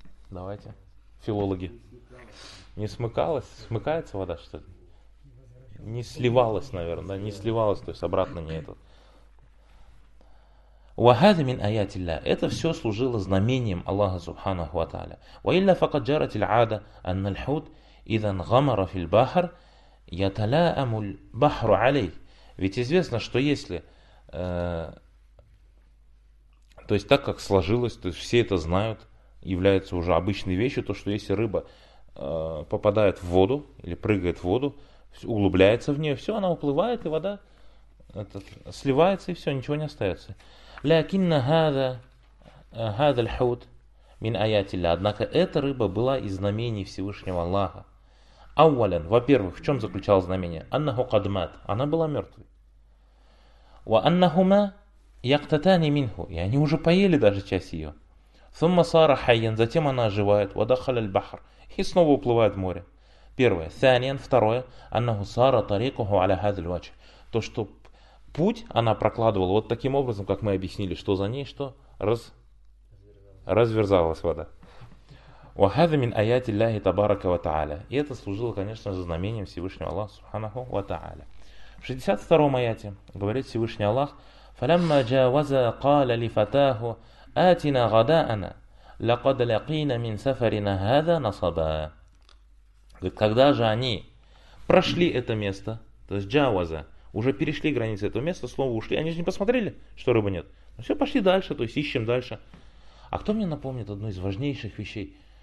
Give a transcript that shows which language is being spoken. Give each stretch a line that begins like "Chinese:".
Russian: Давайте, филологи. Не смыкалась, смыкается вода, что ли? Не сливалась, наверное, да? Не сливалась, то есть обратно не этот.
Arabic: وهذا من آيات الله.
Russian: Это все служило знамением Аллаха Субханаху ва Тааля.
Arabic: وإلا فقد جرت العادة أن الحوت إذا انغمر في البحر يتلاءم البحر عليه.
Russian: Ведь известно, что если, то есть так как сложилось, то есть все это знают, является уже обычной вещью, то что если рыба попадает в воду или прыгает в воду, углубляется в нее, все, она уплывает и вода сливается и все, ничего не остается.
Arabic: لكن هذا الحوت من آيات الله.
Russian: Однако эта рыба была из знамений Всевышнего Аллаха. أولا, во-первых, в чем заключалось знамение?
Arabic: أنه قد مات.
Russian: Она была мертвой.
Arabic: وأنهما يقتتان منه.
Russian: И они уже поели даже часть ее.
Arabic: ثم صار حيا.
Russian: Затем она оживает.
Arabic: ودخل البحر.
Russian: И снова уплывает в море. Первое. ثانيا. Второе.
Arabic: أنه صار طريقه على هذا الوجه.
Russian: То, что путь она прокладывала вот таким образом, как мы объяснили, что за ней, что разверзалась вода.
Arabic: وَهَذَا مِنْ آيَاتِ اللَّهِ تَبَارَكَ وَتَعَالَى.
Russian: И это служило, конечно же, знамением Всевышнего Аллаха, Субханаху ва Тааля. В 62-м аяте говорит Всевышний Аллах:
Arabic: فَلَمَّا جَاوَزَا قَالَ لِفَتَاهُ آتِنَا غَدَاءَنَا لَقَدْ لَقِينَا مِنْ سَفَرِنَا هَذَا نَصَبًا.
Russian: Говорит, когда же они прошли это место, то есть джаваза, уже перешли границы этого места, снова ушли, они же не посмотрели, что рыбы нет. Ну все, пошли дальше, то есть ищем дальше. А кто мне напомнит одну из важнейших вещей?